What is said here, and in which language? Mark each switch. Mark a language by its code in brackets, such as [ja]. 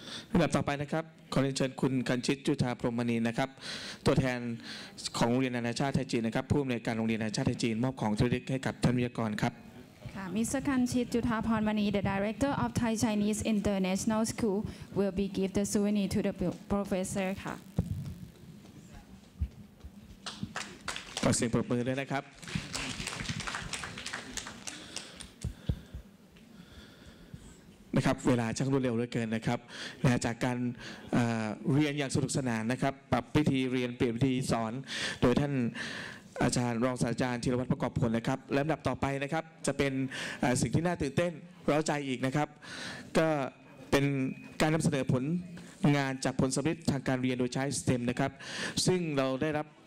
[th] ลำดับต่อไปนะครับขอเชิญคุณกัญชิตจุฑาพรหมณีนะครับตัวแทนของโรงเรียนนานาชาติไทยจีนนะครับผู้อำนวยการโรงเรียนนานาชาติไทยจีนมอบของที่ระลึกให้กับท่านวิทยากรครับ [en] ค่ะ Mr. Kanchit Juthapornmani, the director of Thai Chinese International School, will be give the souvenir to the professor ค่ะ [th] ขอเสียงปรบมือด้วยนะครับนะครับเวลาช่างรวดเร็วเหลือเกินนะครับและจากการเรียนอย่างสนุกสนานนะครับปรับวิธีเรียนเปลี่ยนวิธีสอนโดยท่านอาจารย์รองศาสตราจารย์ธีรวัฒน์ประกอบผลนะครับลำดับต่อไปนะครับจะเป็นสิ่งที่น่าตื่นเต้นร้าวใจอีกนะครับก็เป็นการนำเสนอผลงานจากผลสำเร็จทางการเรียนโดยใช้ STEM นะครับซึ่งเราได้รับ